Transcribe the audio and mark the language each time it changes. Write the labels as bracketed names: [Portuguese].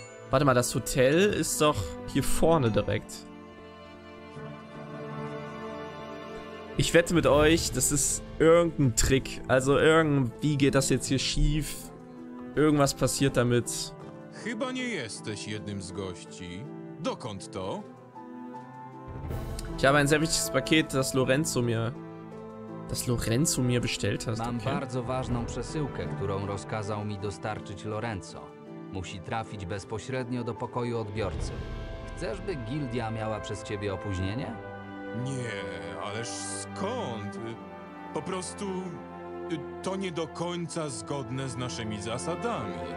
[German] Warte mal, das Hotel ist doch hier vorne direkt. Ich wette mit euch, das ist irgendein Trick. Also irgendwie geht das jetzt hier schief. Irgendwas passiert damit. [Polish] Chyba nie jesteś jednym z gości. Dokąd to? [German] Ich habe ein sehr wichtiges Paket, das Lorenzo mir bestellt hat. [Polish] Mam bardzo ważną przesyłkę, którą rozkazał mi dostarczyć Lorenzo. Musi trafić bezpośrednio do pokoju odbiorcy. Chcesz, by gildia miała przez ciebie opóźnienie? Nie, ależ skąd? Po prostu to nie do końca zgodne z naszymi zasadami.